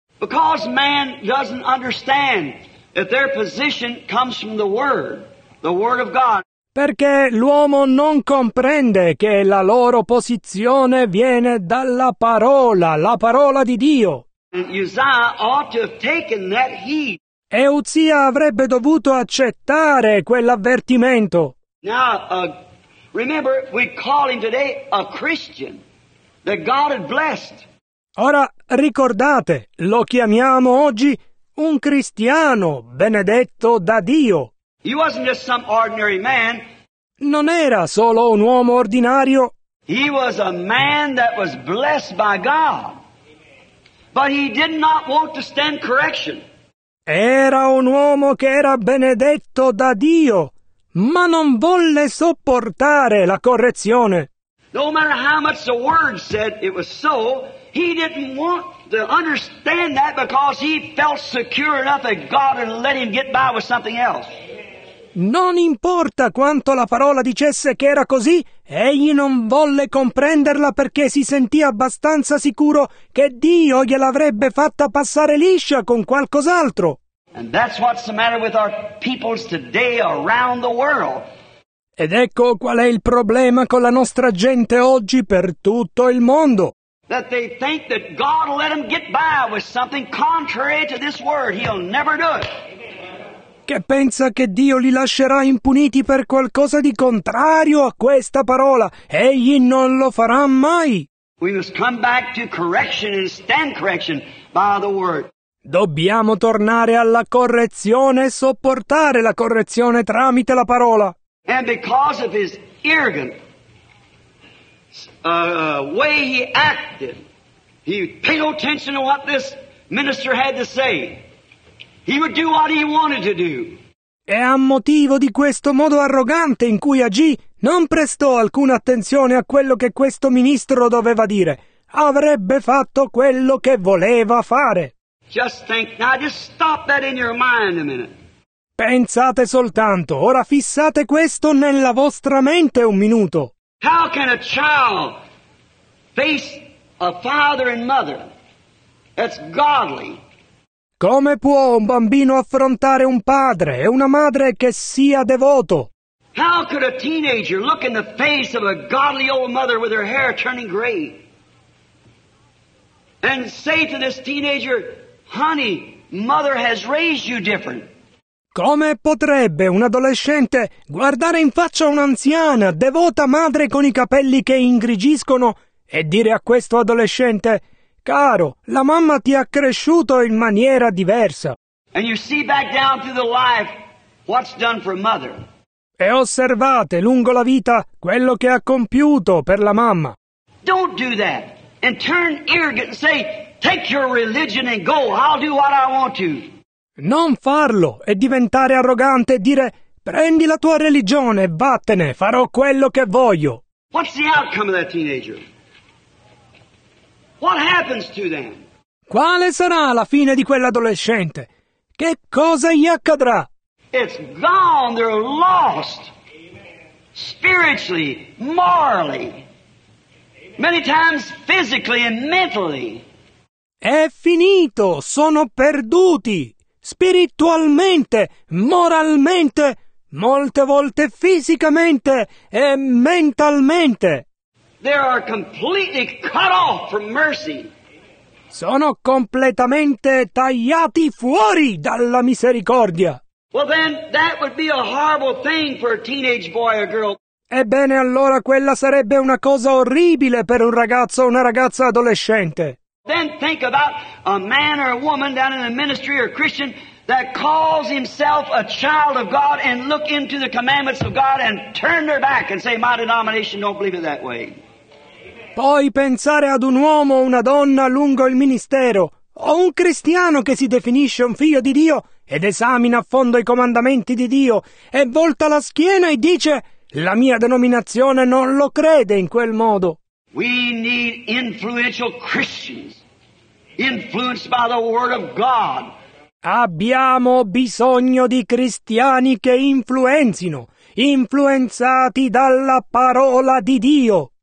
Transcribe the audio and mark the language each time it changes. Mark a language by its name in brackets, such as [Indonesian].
[English] Because man doesn't understand that their position comes from the Word of God. [Italian] Perché l'uomo non comprende che la loro posizione viene dalla parola, la parola di Dio. [English] Uzziah ought to have taken that heed. [Italian] E Uzziah avrebbe dovuto accettare quell'avvertimento. [English] Now, remember, we call him today a Christian. That God had blessed. [Italian] Ora ricordate, lo chiamiamo oggi un cristiano benedetto da Dio. [English] He wasn't just some ordinary man. [Italian] Non era solo un uomo ordinario. [English] He was a man that was blessed by God. But he did not want to stand correction. [Italian] Era un uomo che era benedetto da Dio, ma non volle sopportare la correzione. [English] No matter how much the Word said it was so, he didn't want to understand that because he felt secure enough that God had let him get by with something else. [Italian] Non importa quanto la parola dicesse che era così, egli non volle comprenderla perché si sentì abbastanza sicuro che Dio gliel'avrebbe fatta passare liscia con qualcos'altro. [English] And that's what's the matter with our peoples today around the world. [Italian] Ed ecco qual è il problema con la nostra gente oggi per tutto il mondo. [English] That they think that God will let them get by with something contrary to this word. He'll never do it. [Italian] Che pensa che Dio li lascerà impuniti per qualcosa di contrario a questa parola. Egli non lo farà mai. [English] We must come back to correction and stand correction by the word. [Italian] Dobbiamo tornare alla correzione e sopportare la correzione tramite la parola. [English] And because of his arrogant way he acted, he paid no attention to what this minister had to say. He would do what he wanted to do. [Italian] E a motivo di questo modo arrogante in cui agì, non prestò alcuna attenzione a quello che questo ministro doveva dire. Avrebbe fatto quello che voleva fare. [English] Just think, now just stop that in your mind a minute. [Italian] Pensate soltanto, ora fissate questo nella vostra mente un minuto. [English] How can a child face a father and mother that's godly? [Italian] Come può un bambino affrontare un padre e una madre che sia devoto? [English] How could a teenager look in the face of a godly old mother with her hair turning gray and say to this teenager, honey, mother has raised you different? [Italian] Come potrebbe un adolescente guardare in faccia un'anziana, devota madre con i capelli che ingrigiscono e dire a questo adolescente, caro, la mamma ti ha cresciuto in maniera diversa? [English] And you see back down through the life what's done for mother. [Italian] E osservate lungo la vita quello che ha compiuto per la mamma. [English] Don't do that and turn arrogant and say, take your religion and go, I'll do what I want to. [Italian] Non farlo e diventare arrogante e dire prendi la tua religione, vattene, farò quello che voglio. [English] What's the outcome of that teenager? What happens to them? [Italian] Quale sarà la fine di quell'adolescente? Che cosa gli accadrà? [English] It's gone, they're lost. Spiritually, morally. Many times physically and mentally. [Italian] È finito, sono perduti. Spiritualmente, moralmente, molte volte fisicamente e mentalmente. [English] They are completely cut off from mercy. [Italian] Sono completamente tagliati fuori dalla misericordia. [English] Well, then, that would be a horrible thing for a teenage boy or girl. [Italian] Ebbene, allora quella sarebbe una cosa orribile per un ragazzo o una ragazza adolescente. [English] Then think about a man or a woman down in the ministry or Christian that calls himself a child of God and look into the commandments of God and turn their back and say, my denomination don't believe it that way. [Italian] Poi pensare ad un uomo o una donna lungo il ministero, o un cristiano che si definisce un figlio di Dio ed esamina a fondo i comandamenti di Dio e volta la schiena e dice: la mia denominazione non lo crede in quel modo. [English] We need influential Christians, influenced by the Word of God. [Italian] Abbiamo bisogno di cristiani che influenzino, influenzati dalla parola di Dio.